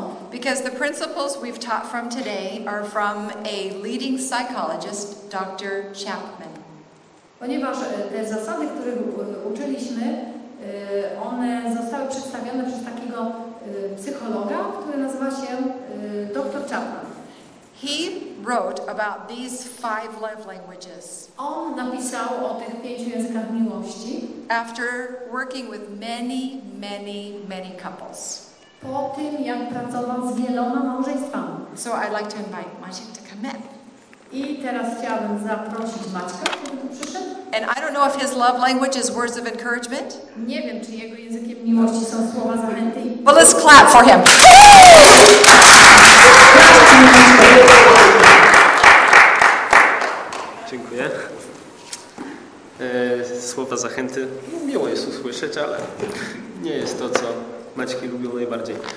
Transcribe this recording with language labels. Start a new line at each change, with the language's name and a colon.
English: because the principles we've taught from today are from a leading psychologist, Dr. Chapman.
Polish: Ponieważ te zasady, które uczyliśmy, one zostały przedstawione przez takiego psychologa, który nazywa się Dr. Chapman.
English: He wrote about these five love languages.
Polish: On napisał o tych pięciu językach miłości.
English: After working with many, many, many couples.
Polish: Po tym, jak pracował z wieloma małżeństwami.
English: So I'd like to invite Maciek to come in.
Polish: I teraz chciałabym zaprosić Maćka, żeby tu przyszedł.
English: And I don't know if his love language is words of encouragement.
Polish: Nie wiem, czy jego językiem miłości są słowa zachęty.
English: Well, let's clap for him.
Polish: Dziękuję. Słowa zachęty. No, miło jest usłyszeć, ale nie jest to, co Maćki lubią najbardziej.